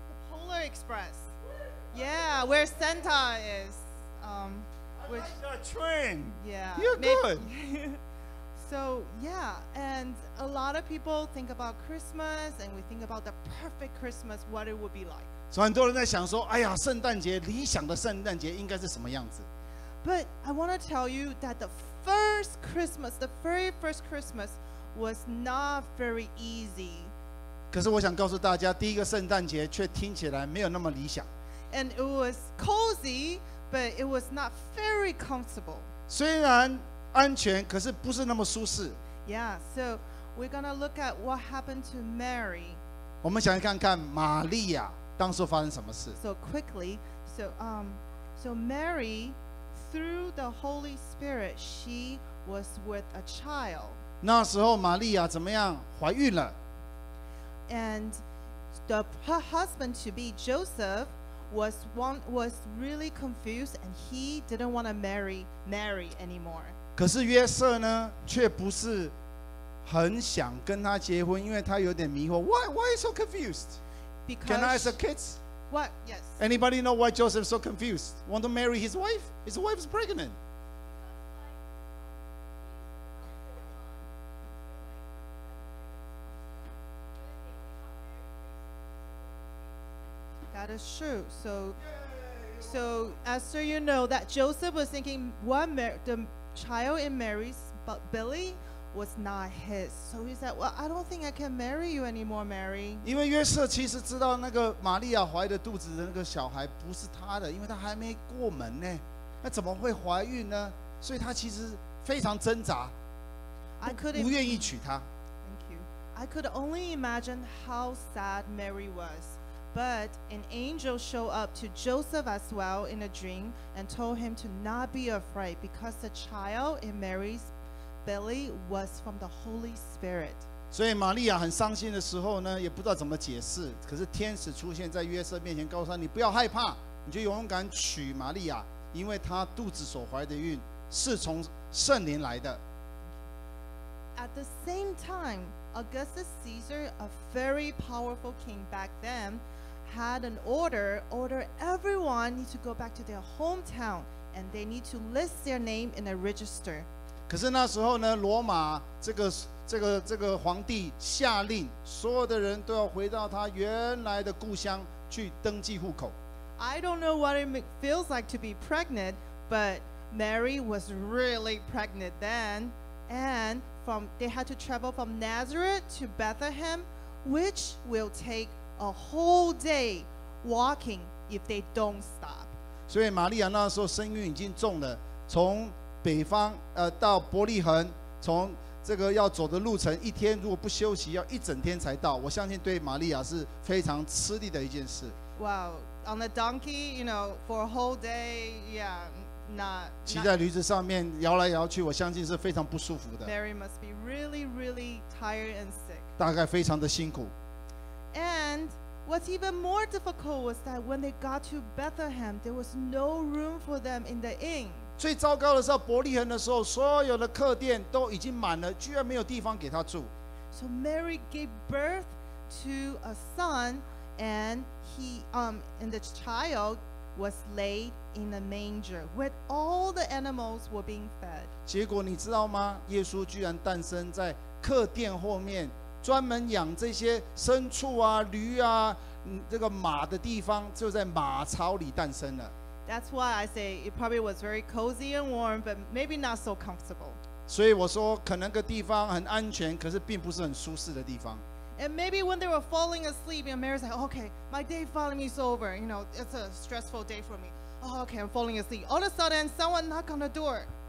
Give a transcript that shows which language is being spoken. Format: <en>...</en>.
<en>The Polar Express. Yeah, where Santa is. Which, I like that train. Yeah. You're maybe, good. So, yeah, and a lot of people think about Christmas, and we think about the perfect Christmas, what it would be like.</en> <zh>所以很多人在想说，哎呀，圣诞节理想的圣诞节应该是什么样子</zh> <en>？But I want to tell you that the first Christmas, the very first Christmas, was not very easy.</en> <zh>可是我想告诉大家，第一个圣诞节却听起来没有那么理想。</zh> <en>And it was cozy, but it was not very comfortable.</en> <zh>虽然安全，可是不是那么舒适。</zh> <en>Yeah, so we're gonna look at what happened to Mary.</en> <zh>我们想看看玛利亚。当时发生什么事</zh> <en>？So quickly, so Mary, through the Holy Spirit, she was with a child.</en> <zh>那时候玛利亚怎么样？怀孕了。</zh> <en>And her husband to be Joseph was really confused, and he didn't want to marry Mary anymore.</en> <zh>可是约瑟呢，却不是很想跟她结婚，因为他有点迷惑。</zh> <en>Why are you so confused? Because, Can I ask the kids? What? Yes. Anybody know why Joseph is so confused? Want to marry his wife? His wife is pregnant. That is true. So Esther, you know that Joseph was thinking the child in Mary's belly was not his. So he said, well, I don't think I can marry you anymore, Mary.</en> <zh>因为约瑟其实知道那个玛利亚怀的肚子的那个小孩不是他的，因为他还没过门呢，那怎么会怀孕呢？所以他其实非常挣扎，不愿意娶她。</zh> <en>Thank you. I could only imagine how sad Mary was. But an angel showed up to Joseph as well in a dream and told him to not be afraid because the child in Mary'sBelly was from the Holy Spirit.</en> <zh>所以玛利亚很伤心的时候呢，也不知道怎么解释。可是天使出现在约瑟面前，告诉他：“你不要害怕，你就勇敢娶玛利亚，因为她肚子所怀的孕是从圣灵来的。”</zh> <en>At the same time, Augustus Caesar, a very powerful king back then, had an order everyone need to go back to their hometown, and they need to list their name in a register.</en> <zh>可是那时候呢，罗马这个皇帝下令，所有的人都要回到他原来的故乡去登记户口。</zh> <en>I don't know what it feels like to be pregnant, but Mary was really pregnant then, and they had to travel from Nazareth to Bethlehem, which will take a whole day walking if they don't stop.</en> <zh>所以玛利亚那时候身孕已经重了，从北方到伯利恒，从这个要走的路程，一天如果不休息，要一整天才到。我相信对玛利亚是非常吃力的一件事。</zh> <en>Wow, on a donkey, you know, for a whole day, yeah,</en> <zh>骑在驴子上面摇来摇去, 我相信是非常不舒服的。</zh> <en>Mary must be really, really tired and sick.</en> <zh>大概非常的辛苦。</zh> <en>And what's even more difficult was that when they got to Bethlehem, there was no room for them in the inn.</en> <zh>最糟糕的是伯利恒的时候, 所有的客店都已经满了, 居然没有地方给他住。</zh> <en>So Mary gave birth to a son, and the child was laid in a manger where all the animals were being fed.</en> <zh>结果你知道吗? 耶稣居然诞生在客店后面, 专门养这些牲畜啊, 驴啊, 这个马的地方, 就在马槽里诞生了。</zh> <en>That's why I say it probably was very cozy and warm, but maybe not so comfortable.</en> <zh>所以我说可能个地方很安全, 可是并不是很舒适的地方。</zh> <en>And maybe when they were falling asleep, you know, Mary's like, okay, my day finally is over. You know, it's a stressful day for me. Oh, okay, I'm falling asleep. All of a sudden, someone knocked on the door.</en>